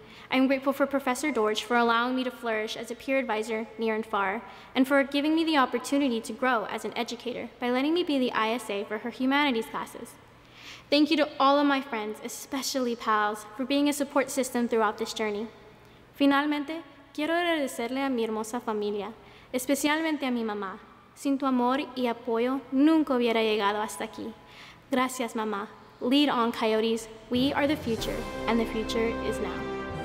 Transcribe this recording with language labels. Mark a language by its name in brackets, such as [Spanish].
[English] I'm grateful for Professor Dorch for allowing me to flourish as a peer advisor near and far, and for giving me the opportunity to grow as an educator by letting me be the ISA for her humanities classes. Thank you to all of my friends, especially PALS, for being a support system throughout this journey. [Spanish] Finalmente, quiero agradecerle a mi hermosa familia, especialmente a mi mamá. Sin tu amor y apoyo, nunca hubiera llegado hasta aquí. Gracias, mamá. [English] Lead on, Coyotes. We are the future, and the future is now. Thank you.